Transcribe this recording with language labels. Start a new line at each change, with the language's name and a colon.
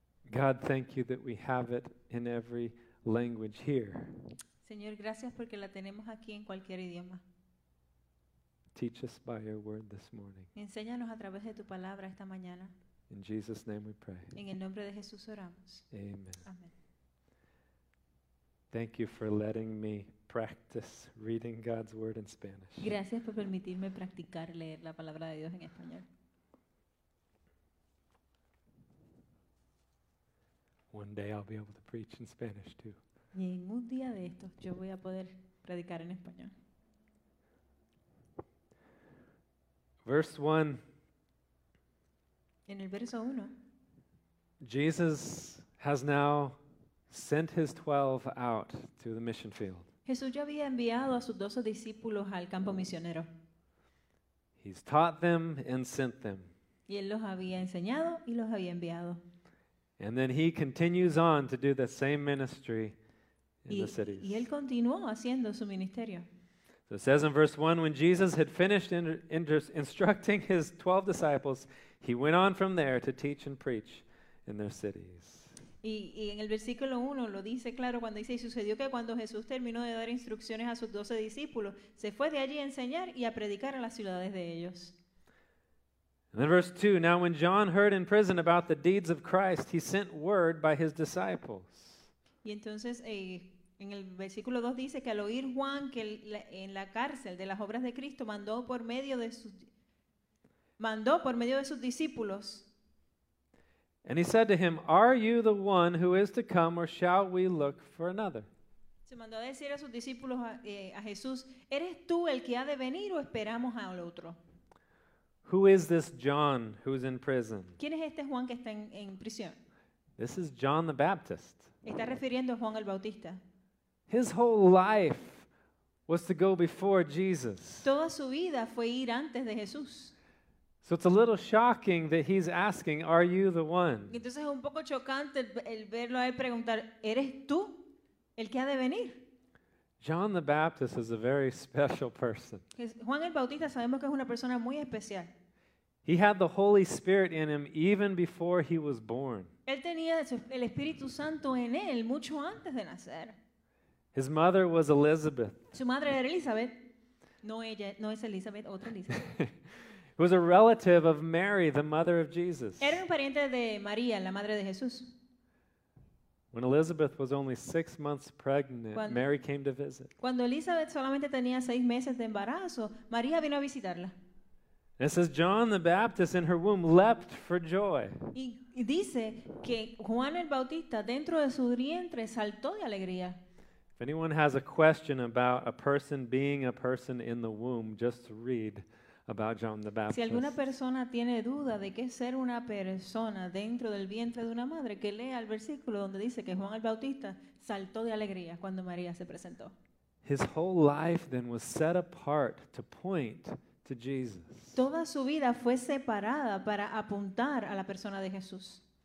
English: God, thank you that we have it in every language here.
Spanish: Señor, gracias porque la tenemos aquí en cualquier idioma.
English: Teach us by your word this morning.
Spanish: Enséñanos a través de tu palabra esta mañana.
English: In Jesus' name we pray.
Spanish: En el nombre de Jesús oramos.
English: Amen.
Spanish: Amen.
English: Thank you for letting me practice reading God's word in Spanish.
Spanish: Gracias por permitirme practicar leer la palabra de Dios en español.
English: One day I'll be able to preach in Spanish too.
Spanish: Y en un día de estos yo voy a poder predicar en español.
English: Verse 1.
Spanish: En el verso 1.
English: Jesus has now sent his 12 out to the mission field.
Spanish: Jesús ya había enviado a sus 12 discípulos al campo misionero.
English: He's taught them and sent them.
Spanish: Y él los había enseñado y los había enviado.
English: And then he continues on to do the same ministry in the cities.
Spanish: Y él continuó haciendo su ministerio.
English: So it says in verse 1, when Jesus had finished instructing his 12 disciples, he went on from there to teach and preach in their cities.
Spanish: Y en el versículo 1 lo dice claro cuando dice, y sucedió que cuando Jesús terminó de dar instrucciones a sus 12 discípulos, se fue de allí a enseñar y a predicar a las ciudades de ellos.
English: And then verse 2, now when John heard in prison about the deeds of Christ, he sent word by his disciples.
Spanish: Y entonces en el versículo 2 dice que al oír Juan que en la cárcel de las obras de Cristo mandó por medio de sus discípulos.
English: And he said to him, are you the one who is to come, or shall we look for another?
Spanish: Se mandó a decir a sus discípulos a Jesús, ¿eres tú el que ha de venir o esperamos al otro?
English: Who is this John who's in prison?
Spanish: ¿Quién es este Juan que está en prisión?
English: This is John the Baptist.
Spanish: Está refiriendo a Juan el Bautista.
English: His whole life was to go before Jesus.
Spanish: Toda su vida fue ir antes de Jesús.
English: So it's a little shocking that he's asking, are you the one?
Spanish: Entonces es un poco chocante el verlo a él preguntar, ¿eres tú el que ha de venir?
English: John the Baptist is a very special person.
Spanish: Juan el Bautista sabemos que es una persona muy especial.
English: He had the Holy Spirit in him even before he was born.
Spanish: Él tenía el Espíritu Santo en él mucho antes de nacer.
English: His mother was Elizabeth.
Spanish: Su madre era Elizabeth. No ella, no es Elizabeth, otra Elizabeth.
English: Who was a relative of Mary, the mother of Jesus.
Spanish: Era un pariente de María, la madre de Jesús.
English: When Elizabeth was only 6 months pregnant, Mary came to visit.
Spanish: Cuando Elizabeth solamente tenía 6 meses de embarazo, María vino a visitarla.
English: It says John the Baptist in her womb leapt for joy.
Spanish: Y dice que Juan el Bautista dentro de su vientre saltó de alegría.
English: If anyone has a question about a person being a person in the womb, just read about John the Baptist.
Spanish: Si alguna persona tiene duda de qué es ser una persona dentro del vientre de una madre, que lea el versículo donde dice que Juan el Bautista saltó de alegría cuando María se presentó.
English: His whole life then was set apart to point to Jesus.
Spanish: Toda su vida fue separada para apuntar a la persona de Jesús.